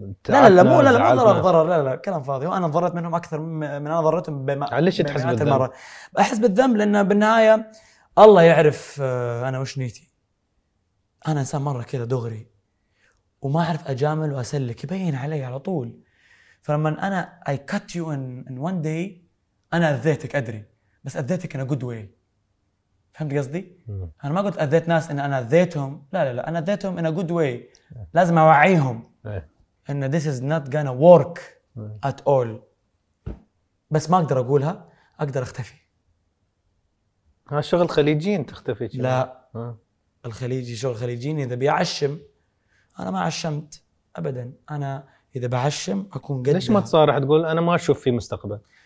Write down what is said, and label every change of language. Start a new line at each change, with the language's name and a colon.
Arabic: لا لا لا مو لا لا مو ضرر. لا لا كلام فاضي. وانا ضررت منهم اكثر من انا ضررتهم. ليش تحس بالذنب؟ احس بالذنب لان بالنهايه الله يعرف انا وش نيتي. انا انسان مره كذا دغري وما أعرف أجامل وأسلك، يبين علي على طول. فلما أنا
English: I cut you in one day
Arabic: أنا أذيتك أدري، بس أذيتك
English: in a good way.
Arabic: فهمت قصدي؟ أنا ما قلت أذيت ناس إن أنا أذيتهم، لا لا لا، أنا أذيتهم
English: in a good way.
Arabic: لازم أوعيهم إن
English: this is not gonna work at all.
Arabic: بس ما أقدر أقولها، أقدر أختفي. ها شغل خليجين تختفي؟ لا الخليجي شغل خليجين إذا بيعشم، أنا ما عشمت أبدا. أنا إذا بعشم أكون قد. ليش ما تصارح تقول أنا ما أشوف في مستقبل؟